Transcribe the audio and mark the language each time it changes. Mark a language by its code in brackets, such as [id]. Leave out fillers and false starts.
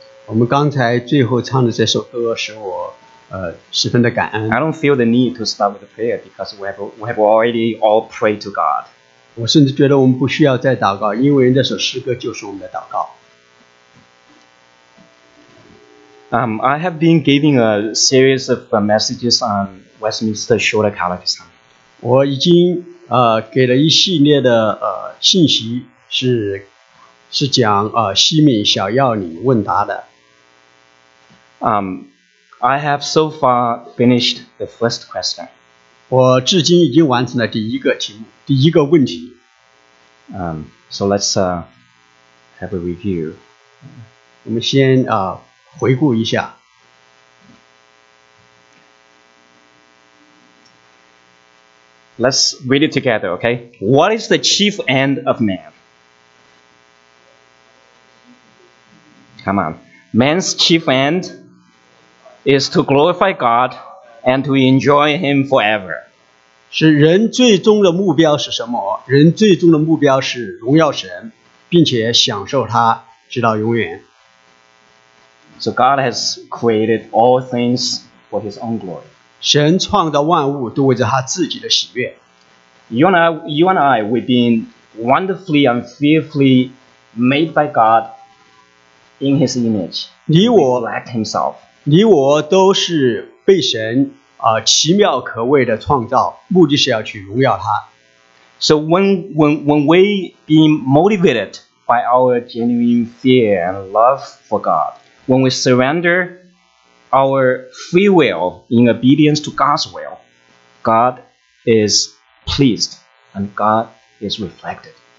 [zh] 我们刚才最后唱的这首歌, 使我, 十分的感恩, [en] I don't feel the need to start with a prayer because we have already all prayed to God. [zh] 我甚至觉得我们不需要再祷告, 因为这首诗歌就是我们的祷告。 [en] I have been giving a series of messages on Westminster Shorter Catechism. [zh] 我已经, 给了一系列的, 信息, 是, 是讲, 西敏小要你问答的。 [en] I have so far finished the first question. [zh] 我至今已经完成了第一个题目,第一个问题。 [en] So let's have a review. [zh] 我们先, 回顾一下。 [en] Let's read it together, okay? What is the chief end of man? Come on. Man's chief end is to glorify God and to enjoy Him forever. [zh] 是人最终的目标是什么?人最终的目标是荣耀神, 并且享受他, 直到永远。 [en] So God has created all things for His own glory. [zh] 神创造万物都为着他自己的喜悦。 [en] You and I, we've been wonderfully and fearfully made by God in His image. [zh] 你我, [en] reflect Himself. [zh] 你我都是被神, 奇妙可畏的创造, 目的是要去荣耀他。 [en] So when we being motivated by our genuine fear and love for God, when we surrender our free will in obedience to God's will, God is pleased, and God is reflected.